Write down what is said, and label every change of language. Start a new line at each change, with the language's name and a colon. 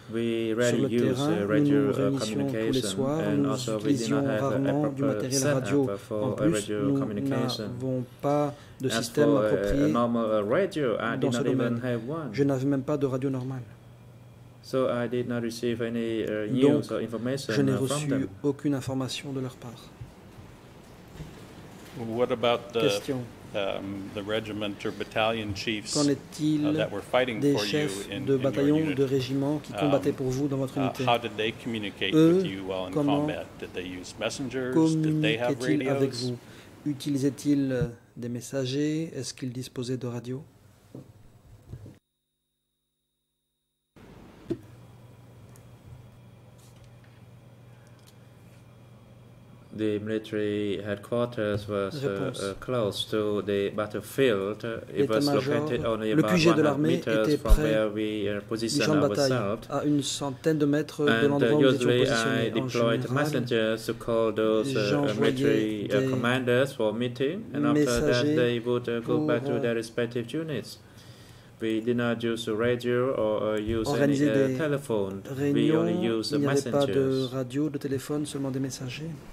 English: We rarely use radio communication and also we did not have a proper setup for radio communication.
French: De système approprié
English: radio, I did not even have one.
French: Je n'avais même pas de radio normale.
English: So I did not receive any news or information.
French: Je n'ai reçu aucune information de leur part.
English: What about the regiment or battalion chiefs that were fighting for you in
French: bataillon,
English: your unit?
French: De régiment qui combattaient pour vous dans votre unité?
English: How did they communicate with you while in combat? Did they use messengers? Did they have radios?
French: Avec vous? Utilisaient-ils des messagers? Est-ce qu'ils disposaient de radio?
English: The military headquarters was close to the battlefield. It was located only about 100 meters from where we positioned ourselves.
French: À une centaine de mètres de l'endroit où nous étions positionnés.
English: Usually, I deployed messengers to call those military commanders for meeting, and after that, they would go back to their respective units. We did not use radio or use any telephone. We only used messengers.
French: Il n'y avait pas de radio, de téléphone, seulement des messagers.